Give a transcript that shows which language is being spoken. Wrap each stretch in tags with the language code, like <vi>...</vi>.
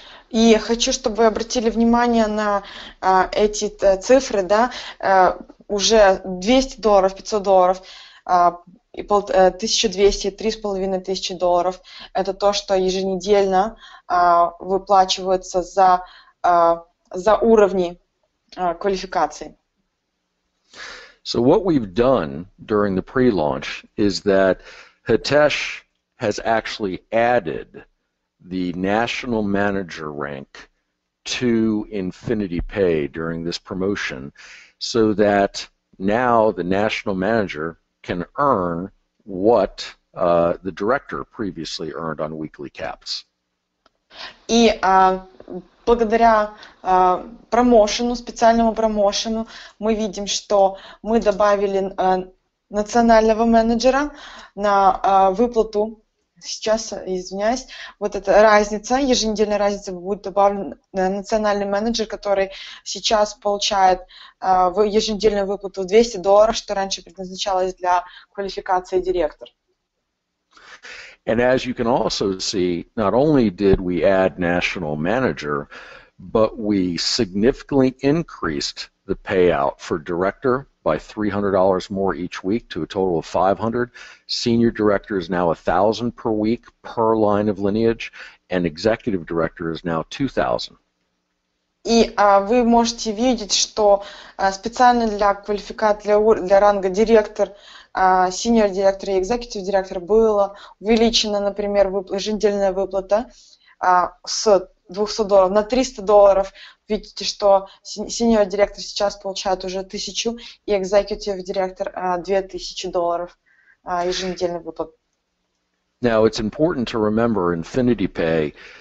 <ru>И хочу, чтобы вы обратили внимание на эти цифры, да, уже $200, $500. И 1200, $3,500, это то, что еженедельно выплачивается за уровни квалификации.</ru> <en>So what we've done during the pre-launch is that Hitesh has actually added the national manager rank to Infinity Pay during this promotion, so that now the national manager can earn what the director previously earned on weekly caps.</en> <ru>И благодаря промоушену, специальному промоушену, мы видим, что мы добавили национального менеджера на выплату. Сейчас, извиняюсь, вот эта разница, еженедельная разница будет добавлена, национальный менеджер, который сейчас получает еженедельную выплату $200, что раньше предназначалось для квалификации директор.</ru> <en>And as you can also see, not only did we add national manager, but we significantly increased the payout for director by $300 more each week to a total of $500. Senior director is now $1,000 per week per line of lineage, and executive director is now $2,000.</en> <ru>И вы можете видеть, что специально для квалификации для ранга директор, senior director и executive director было увеличено, например, еженедельная выплата с $200 на $300. Видите, что senior director сейчас получает уже 1000, и executive director $2000 еженедельный выплат.</ru> <en>Now it's important to remember Infinity Pay.</en>